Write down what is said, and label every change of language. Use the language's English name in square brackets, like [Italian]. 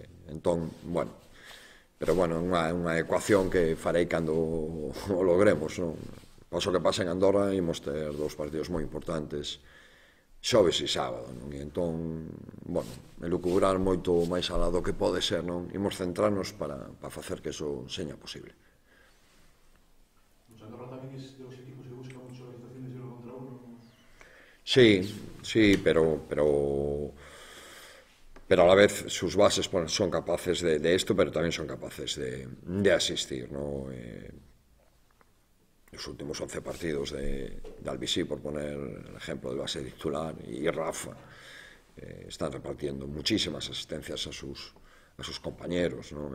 [Galician] Entón, bueno, pero bueno, unha ecuación que farei cando o logremos, non? Paso que pase en Andorra, imos ter dous partidos moi importantes, xoves e sábado, non? E entón, bueno, elucubrar moito máis alá do que pode ser, non? Imos centrarnos para facer que eso seña posible. Andorra tamén é dos equipos que busca moitas organizaciones [Spanish] Sí, pero a la vez sus bases son capaces de esto, pero también son capaces de asistir, ¿no? Los últimos 11 partidos de Albisí, por poner el ejemplo de base titular, y Rafa, están repartiendo muchísimas asistencias a sus compañeros, ¿no?